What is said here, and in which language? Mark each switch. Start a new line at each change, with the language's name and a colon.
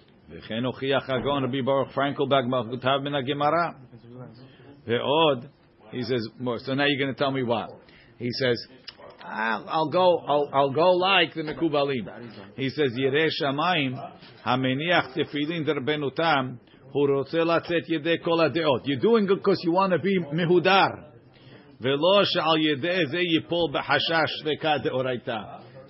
Hebrew: וכן הוכיח הגאון רבי ברוך פרנקל בהגמרא מן הגמרא.
English: ועוד, he says, so now you're going to tell me what. He says, I'll go like the מקובלים. He says,
Hebrew: ירא שמיים, המניח תפילין דרבנותם, who רוצה לצאת ידי כל הדעות.
English: You're doing it because you want to be מהודר.
Hebrew: ולא שעל ידי זה ייפול בחשש לכה דאורייתא.